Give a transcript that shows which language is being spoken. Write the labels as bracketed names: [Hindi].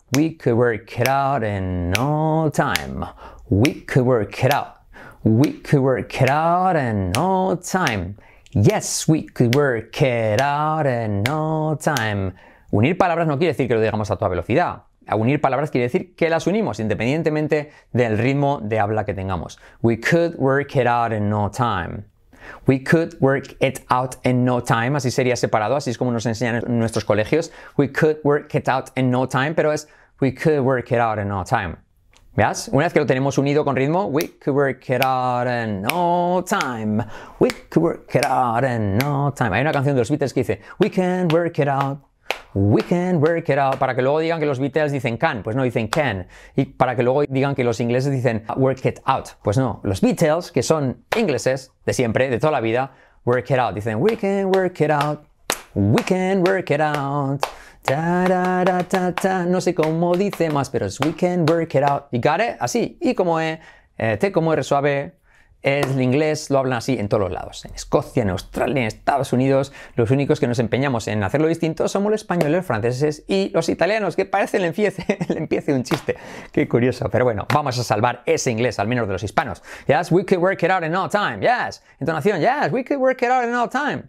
[English] We could work it out in no time. We could work it out. We could work it out in no time. Yes, we could work it out in no time. [Spanish] Unir palabras no quiere decir que lo digamos a toda velocidad. Unir palabras quiere decir que las unimos independientemente del ritmo de habla que tengamos. [English] We could work it out in no time. We could work it out in no time. [Spanish] Así sería separado, así es como nos enseñan en nuestros colegios. [English] We could work it out in no time, [Spanish] pero es [English] we could work it out in no time. [Spanish] ¿Veas? Una vez que lo tenemos unido con ritmo, [English] we could work it out in no time. We could work it out in no time. [Spanish] Hay una canción de los Beatles que dice [English] we can work it out. [Spanish] We can work it out. Para que luego digan que los Beatles dicen can, pues no, dicen can. Y para que luego digan que los ingleses dicen work it out, pues no. Los Beatles, que son ingleses de siempre, de toda la vida, work it out. [English] Dicen we can work it out. We can work it out. Ta, ta, ta, ta, ta. [Spanish] No sé cómo dice más, pero es [English] we can work it out. You got it? [Spanish] Así. Y como es, te como es suave. Es el inglés, lo hablan así en todos los lados. En Escocia, en Australia, en Estados Unidos. Los únicos que nos empeñamos en hacerlo distinto somos los españoles, los franceses y los italianos, que parece el empiece un chiste. Qué curioso. Pero bueno, vamos a salvar ese inglés, al menos de los hispanos. [English] Yes, we could work it out in no time. Yes. [Spanish] Entonación. [English] Yes, we could work it out in no time.